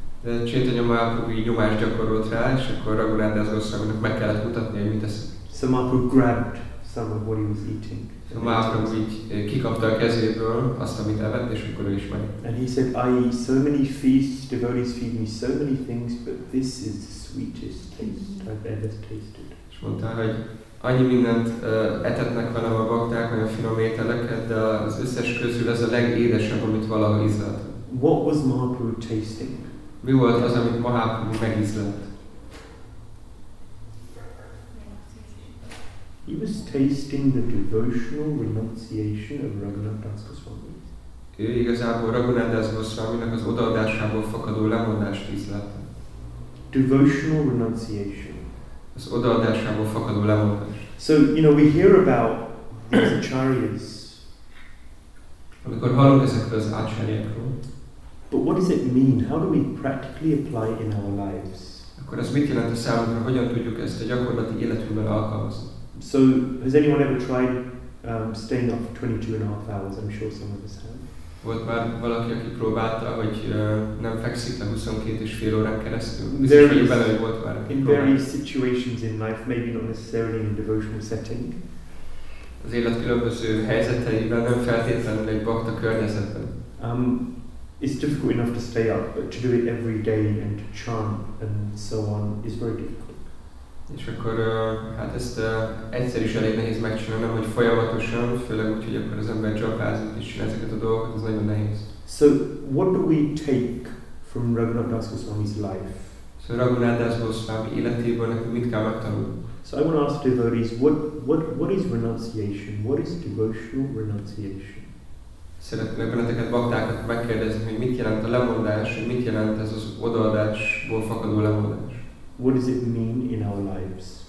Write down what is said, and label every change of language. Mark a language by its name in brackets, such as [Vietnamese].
[Hungarian] De Chaitanya Mahaprabhu így nyomást gyakorolt rá, és akkor Raghunathdas Goswaminak meg kellett mutatni, hogy mit eszik. [English] So Mahaprabhu grabbed some of what he was eating. [Hungarian] So Mahaprabhu így kikapta a kezéből azt, amit evett, és akkor ő is megint. [English] And he said, I eat so many feasts, devotees feed me so many things, but this is the sweetest taste I've ever tasted. [Hungarian] És mondta, hogy annyi mindent etetnek velem a bakták, olyan finom ételeket, de az összes közül ez a legédesebb, amit valaha ízlelt. [English] What was Mahaprabhu tasting? [Hungarian] Mi volt az, amit Mahaprabhu megízlelt? [English] He was tasting the devotional renunciation of Raghunathdas Goswami. [Hungarian] Ő igazából Raghunathdas Goswaminak az odaadásából fakadó lemondást ízlelt. [English] Devotional renunciation. [Hungarian] Az odaadásából fakadó lemondás. [English] So, you know, we hear about these acharyas. [Hungarian] Amikor hallunk ezekről az acharyákról. [English] But what does it mean? How do we practically apply it in our lives? [Hungarian] Akkor ez mit jelent a számunkra? Hogyan tudjuk ezt a gyakorlati életünkben alkalmazni? [English] So, has anyone ever tried staying up for 22 and a half hours? I'm sure some of us have. [Hungarian] Volt már valaki, aki próbálta, hogy nem fekszik le 22 és fél órán keresztül? [English] In various situations in life, maybe not necessarily in a devotional setting. [Hungarian] Az élet különböző helyzeteiben, nem feltétlenül egy bakta környezetben. [English] It's difficult enough to stay up, but to do it every day and to chant and so on is very difficult. [Hungarian] És akkor hát ezt egyszer is elég nehéz megcsinálni, hogy folyamatosan, főleg úgy, hogy akkor az ember dzsapázik és csinál ezeket a dolgokat, ez nagyon nehéz. [English] So what do we take from Raghunathdas Goswami's life? [Hungarian] So Raghunathdas Goswami életéből nekünk mit kell megtanulni? [English] So I want to ask devotees, what is renunciation? What is devotional renunciation? [Hungarian] Szeretnék benneteket, baktákat megkérdezni, hogy mit jelent a lemondás, hogy mit jelent ez az odaadásból fakadó lemondás? [English] What does it mean in our lives?